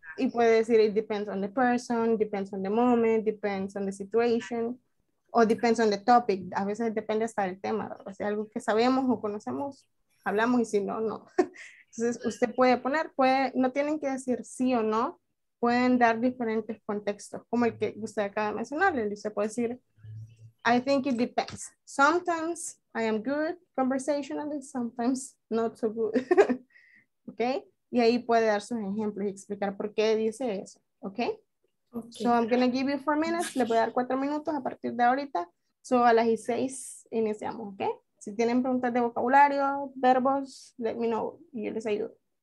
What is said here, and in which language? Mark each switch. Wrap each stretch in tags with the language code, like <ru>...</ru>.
<es>Y puede decir,</es> <en>it depends on the person, depends on the moment, depends on the situation, o depends on the topic.</en> <es>A veces depende hasta del tema, ¿verdad? Si algo que sabemos o conocemos, hablamos, y si no, no. Entonces, usted puede poner, no tienen que decir sí o no, pueden dar diferentes contextos, como el que usted acaba de mencionar. Y usted puede decir,</es> <en>I think it depends. Sometimes I am good conversationally, sometimes not so good. Okay?</en> <es>Y ahí puede dar sus ejemplos y explicar por qué dice eso. Okay? Okay.</es> <en>So I'm going to give you 4 minutes.</en> <es>Le voy a dar 4 minutos a partir de ahorita. So a las 6 iniciamos. Okay? Si tienen preguntas de vocabulario, verbos,</es> <en>let me know.</en> <es>Y yo les ayudo.</es>